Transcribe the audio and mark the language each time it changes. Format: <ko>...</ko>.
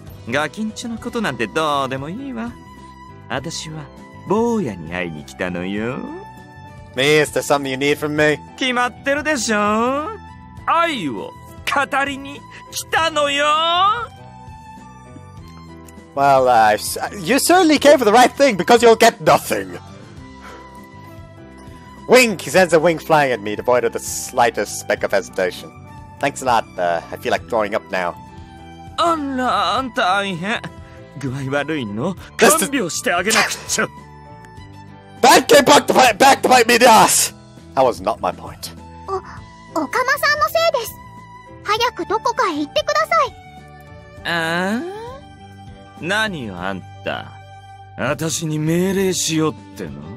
<ja>ガキンチョのことなんてどうでもいいわ。私は坊やに会いに来たのよ。</ja> <en>Me, is there something you need from me?</en> <ja>決まってるでしょ。愛を語りに来たのよ。</ja> <en>Well, you certainly came for the right thing because you'll get nothing. Wink, he sends a wink flying at me, devoid of the slightest speck of hesitation. Thanks a lot, I feel like throwing up now.</en> <ja>あら、大変。具合悪いの？看病してあげなくちゃ。</ja> <en>That came back to bite me the ass! That was not my point.</en> <ja>おかまさんのせいです。早くどこかへ行ってください。何よ、あんた。私に命令しようっての？</ja>